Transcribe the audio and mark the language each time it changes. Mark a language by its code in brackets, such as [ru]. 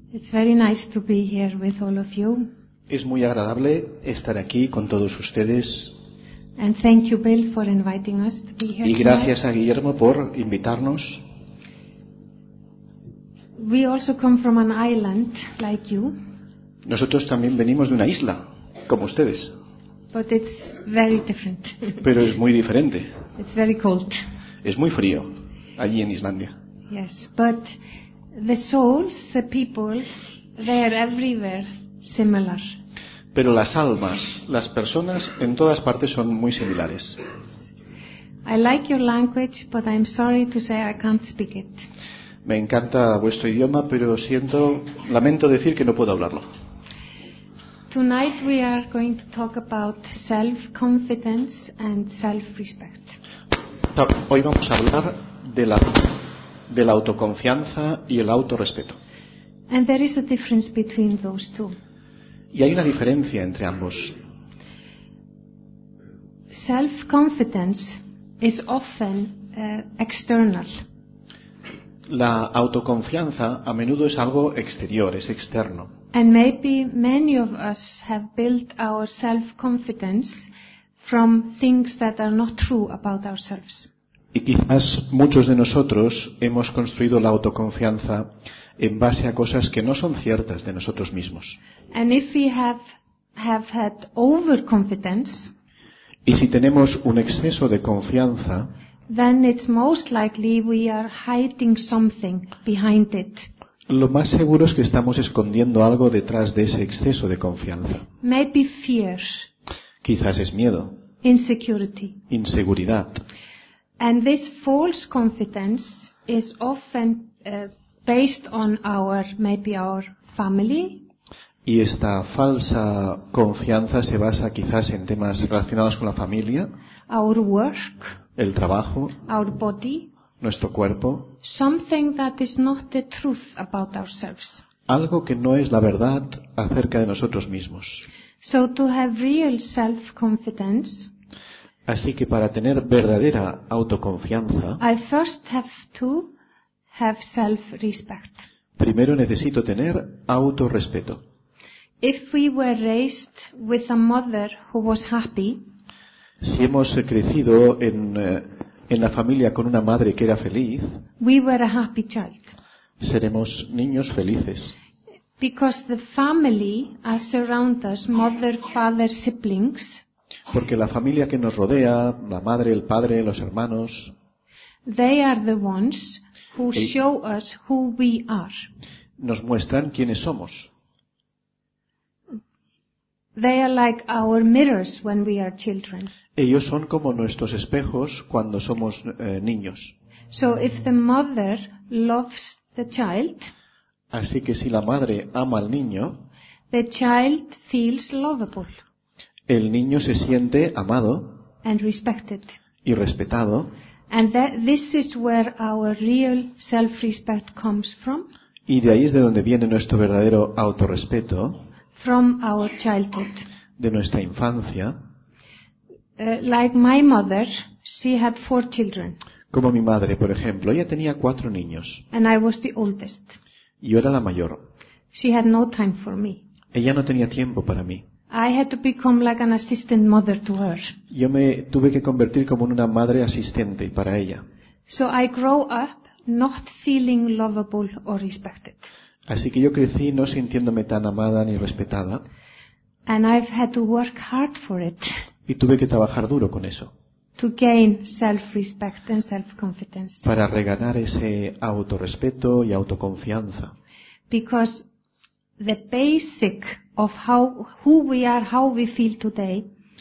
[en] It's very nice to be here with all of you. [es] Es muy agradable estar aquí con todos ustedes. [en] And thank you, Bill, for inviting us to be here. [es] Y gracias a Guillermo por invitarnos. [en] We also come from an island like you. [es] Nosotros también venimos de una isla, como ustedes. [en] But it's very different. [es] Pero es muy diferente. [en] It's very cold. [es] Es muy frío allí en Islandia. [en] Yes, but the souls, the people, they are everywhere similar. [es] Pero las almas, las personas, en todas partes son muy similares. [en] I like your language, but I'm sorry to say I can't speak it. [es] Me encanta vuestro idioma, pero siento, lamento decir que no puedo hablarlo. [en] Tonight we are going to talk about self-confidence and self-respect. [es] Hoy vamos a hablar de la autoconfianza y el autorrespeto. [en] And there is a difference between those two. [es] Y hay una diferencia entre ambos. [en] Self-confidence is often external. [es] La autoconfianza a menudo es algo exterior, es externo. [en] And maybe many of us have built our self-confidence from things that are not true about ourselves. [es] Y quizás muchos de nosotros hemos construido la autoconfianza en base a cosas que no son ciertas de nosotros mismos. [en] And if we have had overconfidence, [es] y si tenemos un exceso de confianza, [en] then it's most likely we are hiding something behind it. [es] Lo más seguro es que estamos escondiendo algo detrás de ese exceso de confianza. [en] Maybe fear. [es] Quizás es miedo. [en] Insecurity. [es] Inseguridad. [en] And this false confidence is often based on maybe our family. [es] Y esta falsa confianza se basa quizás en temas relacionados con la familia. [en] Our work. [es] El trabajo. [en] Our body. [es] Nuestro cuerpo. [en] Something that is not the truth about ourselves. [es] Algo que no es la verdad acerca de nosotros mismos. [en] So to have real self-confidence. [es] Así que para tener verdadera autoconfianza, [en] I first have to have self-respect. [es] Primero necesito tener autorrespeto. [en] If we were raised with a mother who was happy, [es] si hemos crecido en la familia con una madre que era feliz, [en] we were a happy child. [es] Seremos niños felices. [en] Because the family as around us, mother, father, siblings, [es] porque la familia que nos rodea, la madre, el padre, los hermanos, [en] they are the ones who show us who we are. [es] Nos muestran quiénes somos. [en] They are like our mirrors when we are children. [es] Ellos son como nuestros espejos cuando somos niños. [en] So if the mother loves the child, [es] así que si la madre ama al niño, [en] the child feels lovable. [es] El niño se siente amado [en] and respected. [es] Y respetado. [en] And this is where our real self-respect comes from. [es] Y de ahí es de donde viene nuestro verdadero autorrespeto. [en] From our childhood. [es] De nuestra infancia. [en] Like my mother, she had 4 children. [es] Como mi madre, por ejemplo, ella tenía 4 niños. [en] And I was the oldest. [es] Yo era la mayor. [en] She had no time for me. [es] Ella no tenía tiempo para mí. [en] I had to become like an assistant mother to her. [es] Yo me tuve que convertir como una madre asistente para ella. [en] So I grow up not feeling lovable or respected. [es] Así que yo crecí no sintiéndome tan amada ni respetada. [en] And I've had to work hard for it. [es] Y tuve que trabajar duro con eso. [en] To gain self-respect and self-confidence. [es] Para reganar ese autorrespeto y autoconfianza. [en] Because the basic of how who we are, how we feel today,